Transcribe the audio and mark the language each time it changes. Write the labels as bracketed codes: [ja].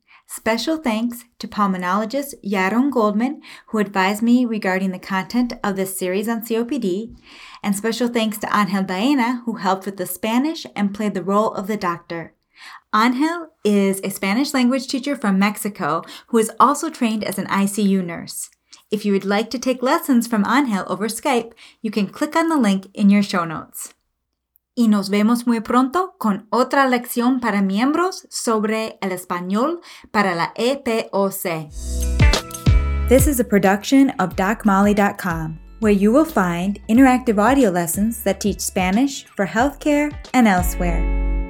[en] Special thanks to pulmonologist Yaron Goldman, who advised me regarding the content of this series on COPD, and special thanks to Ángel Baena, who helped with the Spanish and played the role of the doctor. Ángel is a Spanish language teacher from Mexico who is also trained as an ICU nurse. If you would like to take lessons from Ángel over Skype, you can click on the link in your show notes. [es] Y nos vemos muy pronto con otra lección para miembros sobre el español para la EPOC. [en] This is a production of DocMolly.com, where you will find interactive audio lessons that teach Spanish for healthcare and elsewhere.